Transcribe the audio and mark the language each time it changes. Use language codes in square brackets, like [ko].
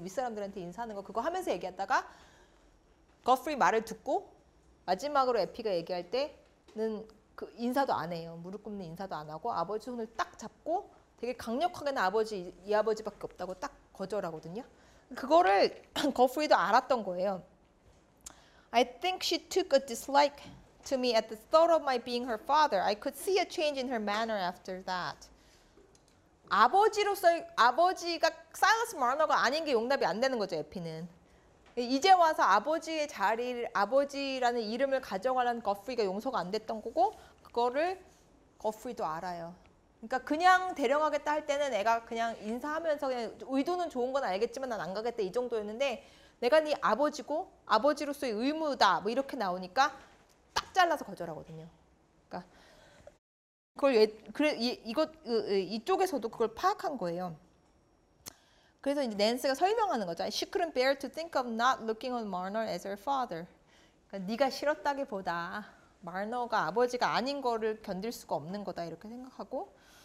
[ko] 윗사람들한테 인사하는 거 그거 하면서 얘기하다가 거프리 말을 듣고 마지막으로 에피가 얘기할 때는 그 인사도 안 해요. 무릎 꿇는 인사도 안 하고 아버지 손을 딱 잡고 되게 강력하게는 아버지 이 아버지밖에 없다고 딱 거절하거든요. 그거를 거프리도 알았던 거예요. [en] I think she took a dislike to me at the thought of my being her father. I could see a change in her manner after that. [ko] 아버지로서의 아버지가 사이러스 마너가 아닌 게 용납이 안 되는 거죠, 에피는. 이제 와서 아버지의 자리를 아버지라는 이름을 가져가라는 거프리가 용서가 안 됐던 거고 그거를 거프리도 알아요. 그러니까 그냥 대령하겠다 할 때는 애가 그냥 인사하면서 그냥 의도는 좋은 건 알겠지만 난안 가겠다 이 정도였는데 내가 네 아버지고 아버지로서의 의무다 뭐 이렇게 나오니까 딱 잘라서 거절하거든요. 그걸 그래 이쪽에서도 그걸 파악한 거예요. 그래서 이제 낸스가 설명하는 거죠. [en] She couldn't bear to think of not looking on Marner as her father. [ko] 그러니까 네가 싫었다기보다 마너가 아버지가 아닌 거를 견딜 수가 없는 거다 이렇게 생각하고.